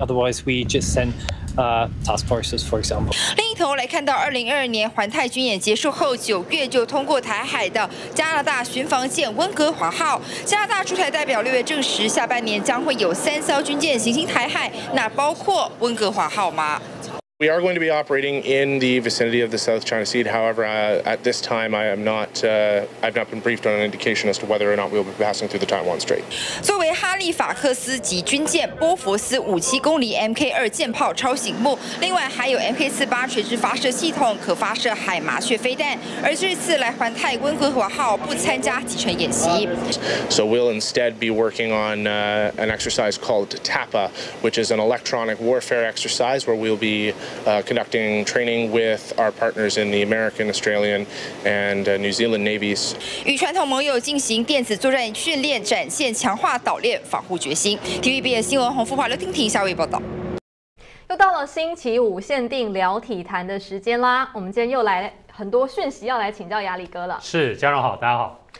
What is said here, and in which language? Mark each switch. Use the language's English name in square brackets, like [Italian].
[English] Otherwise, we just send. Task forces, for example. [Chinese] 另一头来看到2022年环太军演结束后9月就通过台海的加拿大巡防舰温哥华号。加拿大驻台代表6月证实，下半年将会有3艘军舰行经台海，那包括温哥华号吗？ [English] We are going to be operating in the vicinity of the South China Sea. However, at this time, I am not, I've not been briefed on an indication as to whether or not we will be passing through the Taiwan Strait. [Chinese] 作为哈利法克斯级军舰波佛斯57公里 MK2 舰炮超醒目，另外还有 MK48 垂直发射系统，可发射海麻雀飞弹。而这次来环太温哥华号不参加集成演习。 [English] So we'll instead be working on an exercise called TAPA, which is an electronic warfare exercise where we'll be. Conducting training with our partners in the American, Australian, and New Zealand navies. [Chinese] 与传统盟友进行电子作战训练，展现强化岛链防护决心。 TVBS 新闻洪富华、刘婷婷下位报道。又到了星期五限定聊体坛的时间啦，我们今天又来很多讯息要来请教亚历哥了。是，嘉荣好，大家好。